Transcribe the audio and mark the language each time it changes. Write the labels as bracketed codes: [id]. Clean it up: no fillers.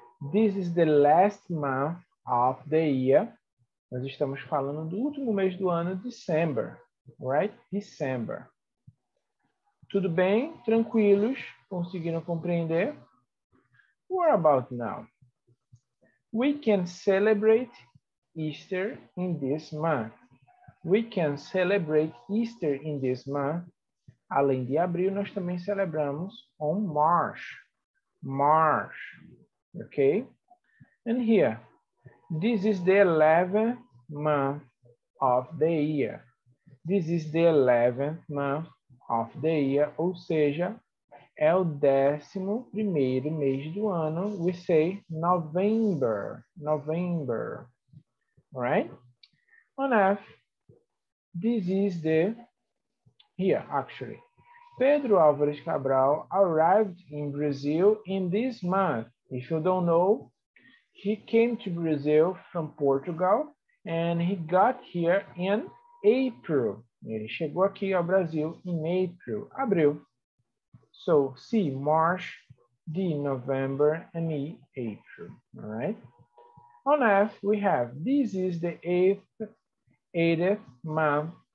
[en] This is the last month of the year. [pt] Nós estamos falando do último mês do ano, December, right? December. Tudo bem? Tranquilos? Conseguiram compreender? [en] What about now? We can celebrate Easter in this month. We can celebrate Easter in this month. [pt] Além de abril, nós também celebramos on March. [en] March. Ok? And here. This is the 11th month of the year. This is the 11th month of the year. [pt] Ou seja, é o 11º mês do ano. [en] We say November. November. Right? On F. This is the... Here, actually. Pedro Álvares Cabral arrived in Brazil in this month. If you don't know, he came to Brazil from Portugal and he got here in April. [pt] Ele chegou aqui ao Brasil em April, abril. [en] So, C, March, D, November, and E, April. All right? On F, we have, this is the 8th month.